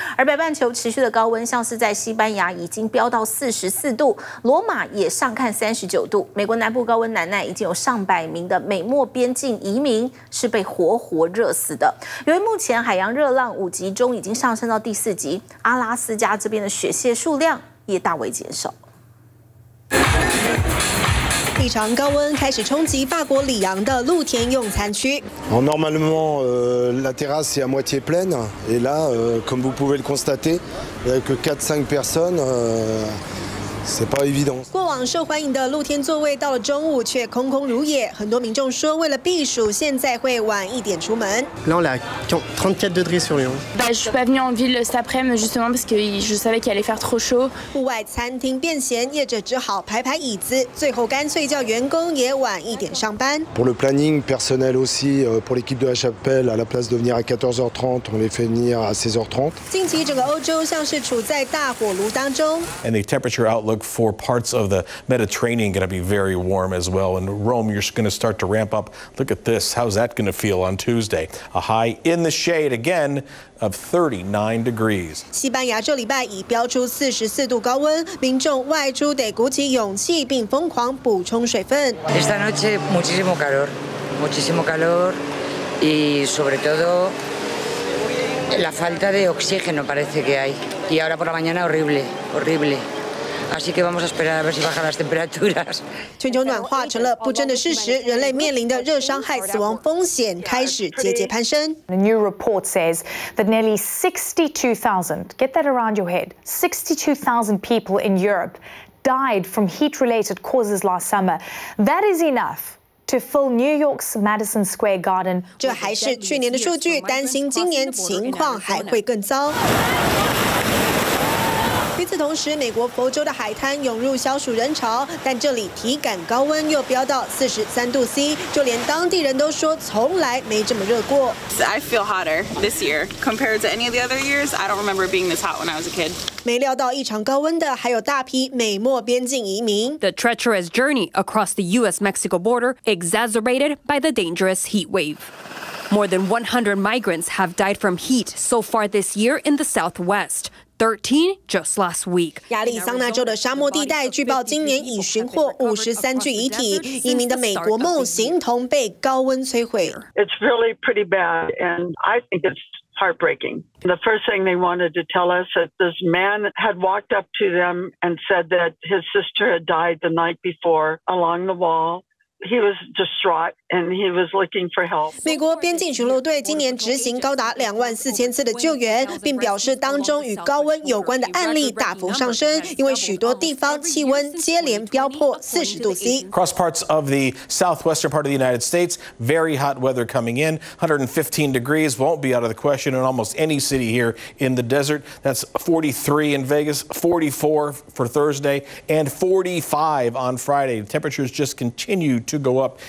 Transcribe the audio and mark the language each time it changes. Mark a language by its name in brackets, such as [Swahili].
[Chinese] 而北半球持续的高温，像是在西班牙已经飙到44度，罗马也上看39度，美国南部高温难耐，已经有上百名的美墨边境移民是被活活热死的。由于目前海洋热浪五级中已经上升到第四级，阿拉斯加这边的雪蟹数量也大为减少。异常高温开始冲击法国里昂的露天用餐区。 [French] Normalement, la terrasse est à moitié pleine, et là, comme vous pouvez le constater, avec 4-5 personnes. C'est pas évident. [Chinese] 过往受欢迎的露天座位到了中午却空空如也，很多民众说为了避暑现在会晚一点出门。 [French] Là, on a 34 degrés sur Lyon. Je suis pas venue en ville cet après-midi justement parce que je savais qu'il allait faire trop chaud. [Chinese] 户外餐厅变闲，业者只好排排椅子，最后干脆叫员工也晚一点上班。 [French] Pour le planning personnel aussi, pour l'équipe de La Chapelle, à la place de venir à 14h30, on les fait venir à 16h30. [Chinese] 近期整个欧洲像是处在大火炉当中。 [English] And the temperature outlook. For parts of the Mediterranean, going to be very warm as well. And Rome, you're going to start to ramp up. Look at this. How's that going to feel on Tuesday? A high in the shade again. Of 39 degrees. [Chinese] 西班牙这礼拜已飙出44度高温，民众外出得鼓起勇气，并疯狂补充水分。 [Spanish] Esta noche muchísimo calor, y sobre todo la falta de oxígeno parece que hay. Y ahora por la mañana horrible, horrible. Así que vamos a esperar a ver si bajan las temperaturas. [Chinese] 全球暖化成了不争的事实，人类面临的热伤害死亡风险开始节节攀升。 [English] A new report says that nearly 62,000, get that around your head, 62,000 people in Europe died from heat-related causes last summer. That is enough. To fill New York's Madison Square Garden. [Chinese] 这还是去年的数据，担心今年情况还会更糟。与此同时，美国佛州的海滩涌入消暑人潮，但这里体感高温又飙到43°C， 就连当地人都说从来没这么热过。 [English] I feel hotter this year compared to any of the other years. I don't remember being this hot when I was a kid. [Chinese] 没料到异常高温的还有大批美墨边境移民。 [English] The treacherous journey across the U.S.-Mexico border exacerbated by the dangerous heat wave. More than 100 migrants have died from heat so far this year in the Southwest. 13 just last week. [Chinese] 亚利桑那州的沙漠地带据报今年已寻获53具遗体，移民的美国梦形同被高温摧毁。 [English] It's really pretty bad, and I think it's heartbreaking. The first thing they wanted to tell us that this man had walked up to them and said that his sister had died the night before along the wall. He was distraught and he was looking for help. [Chinese] 美国边境巡逻队今年执行高达24,000次的救援，并表示当中与高温有关的案例大幅上升，因为许多地方气温接连飙破40°C. [English] Across parts of the southwestern part of the United States, very hot weather coming in. 115 degrees won't be out of the question in almost any city here in the desert. That's 43 in Vegas, 44 for Thursday, and 45 on Friday. The temperatures just continue to to go up.